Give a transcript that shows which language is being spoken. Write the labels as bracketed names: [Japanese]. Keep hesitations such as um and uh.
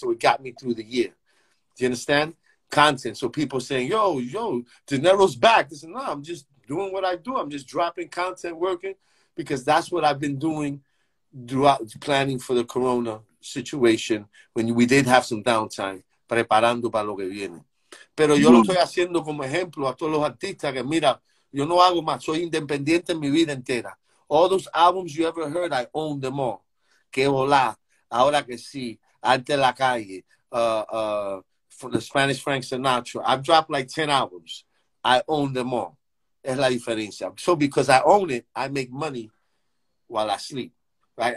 [English] So it got me through the year. Do you understand? Content. So people saying, yo, yo, De Niro's back. They say, no, I'm just doing what I do. I'm just dropping content, working, because that's what I've been doing throughout planning for the corona situation when we did have some downtime [Spanish] preparando para lo que viene. Pero mm -hmm. yo lo estoy haciendo como ejemplo a todos los artistas que mira, yo no hago más, soy independiente en mi vida entera. [English] All those albums you ever heard, I own them all. [Spanish] Que volá, ahora que sí, ante la calle, [English] uh, uh for the Spanish Frank Sinatra. I've dropped like 10 albums. I own them all. [Spanish] Es la diferencia. [English] So because I own it, I make money while I sleep right?